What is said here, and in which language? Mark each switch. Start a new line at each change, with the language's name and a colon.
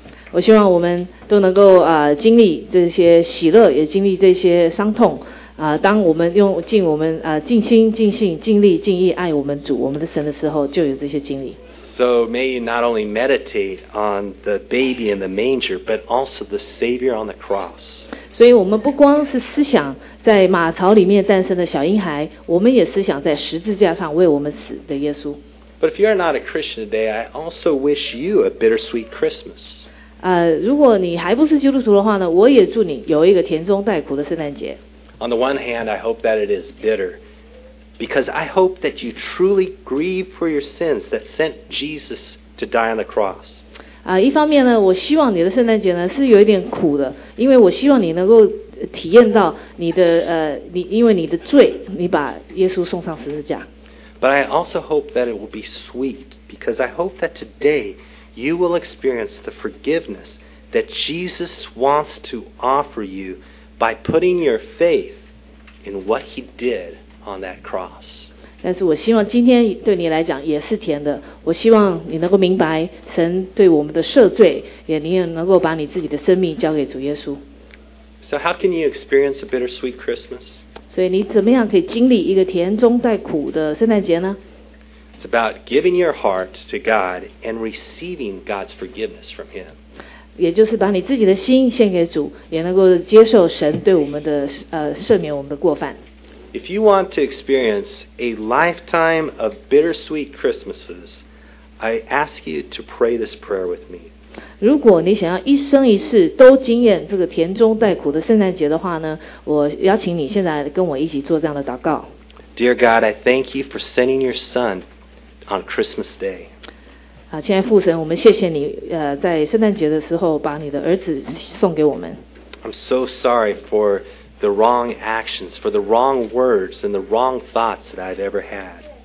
Chinese: 我希望我们都能够经历这些喜乐，也经历这些伤痛。当我们用尽我们尽心、尽性、尽力、尽意爱我们主、我们的神的时候，就有这些经历。
English: So may you not only meditate on the baby in the manger, but also the Savior on the cross.
Chinese: 所以我们不光是思想在马槽里面诞生的小婴孩，我们也思想在十字架上为我们死的耶稣。
English: But if you are not a Christian today, I also wish you a bittersweet Christmas.
Chinese: 如果你还不是基督徒的话呢，我也祝你有一个甜中带苦的圣诞节。
English: On the one hand, I hope that it is bitter. Because I hope that you truly grieve for your sins that sent Jesus to die on the cross.
Chinese: 一方面呢，我希望你的圣诞节呢是有一点苦的，因为我希望你能够体验到你的因为你的罪，你把耶稣送上十字架。
English: But I also hope that it will be sweet, because I hope that today you will experience the forgiveness that Jesus wants to offer you by putting your faith in what he did. On that cross.
Chinese: 但是我希望今天对你来讲也是甜的，我希望你能够明白神对我们的赦罪，也你也能够把你自己的生命交给主耶稣。
English: So how can you experience a bittersweet Christmas?
Chinese: 所以你怎么样可以经历一个甜中带苦的圣诞节呢？
English: It's about giving your heart to God and receiving God's forgiveness from him.
Chinese: 也就是把你自己的心献给主，也能够接受神对我们的赦免我们的过犯。
English: If you want to experience a lifetime of bittersweet Christmases, I ask you to pray this prayer with me.
Chinese: 如果你想要一生一世都经验这个甜中带苦的圣诞节的话呢，我邀请你现在跟我一起做这样的祷告。
English: Dear God, I thank you for sending your son on Christmas Day.
Chinese: 亲爱父神，我们谢谢你在圣诞节的时候把你的儿子送给我们。
English: I'm so sorry for... the wrong actions, for the wrong words, and the wrong thoughts that I've ever had.